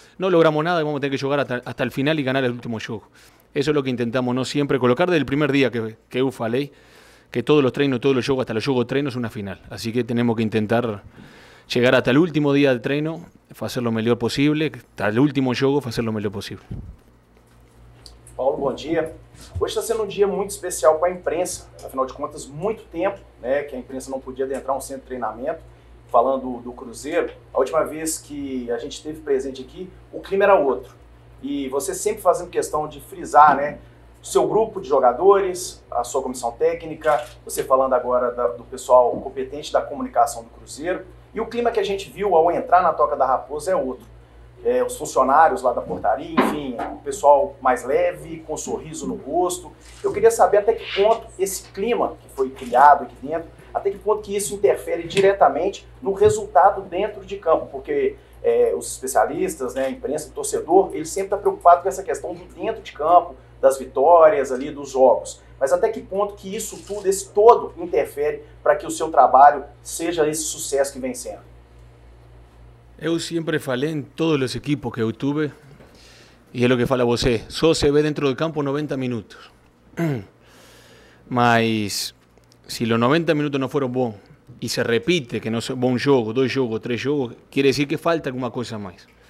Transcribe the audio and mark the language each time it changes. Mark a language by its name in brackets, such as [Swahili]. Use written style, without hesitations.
[Spanish] No logramos nada y vamos a tener que jugar hasta el final y ganar el último juego. Eso es lo que intentamos, ¿no? Siempre colocar desde el primer día que UFA ley, que todos los treinos, todos los juegos, hasta los juegos de treino, es una final. Así que tenemos que intentar llegar hasta el último día de treino, hacer lo mejor posible, hasta el último juego, hacer lo mejor posible. [Portuguese] Paulo, bom dia. Hoje está sendo um dia muito especial para a imprensa. Afinal de contas, muito tempo, né, que a imprensa não podia adentrar um centro de treinamento. Falando do Cruzeiro, a última vez que a gente esteve presente aqui, o clima era outro. E você sempre fazendo questão de frisar, né, o seu grupo de jogadores, a sua comissão técnica, você falando agora do pessoal competente da comunicação do Cruzeiro. E o clima que a gente viu ao entrar na Toca da Raposa é outro. É, os funcionários lá da portaria, enfim, o pessoal mais leve, com um sorriso no rosto. Eu queria saber até que ponto esse clima que foi criado aqui dentro, até que ponto que isso interfere diretamente no resultado dentro de campo, porque os especialistas, né, a imprensa, o torcedor, ele sempre está preocupado com essa questão do dentro de campo, das vitórias ali, dos jogos. Mas até que ponto que isso tudo, esse todo, interfere para que o seu trabalho seja esse sucesso que vem sendo? [Spanish] Yo siempre falé en todos los equipos que yo tuve, y es lo que fala usted, solo se ve dentro del campo 90 minutos. Mas si los 90 minutos no fueron buenos, y se repite que no es un buen juego, dos juegos, tres juegos, quiere decir que falta alguna cosa más.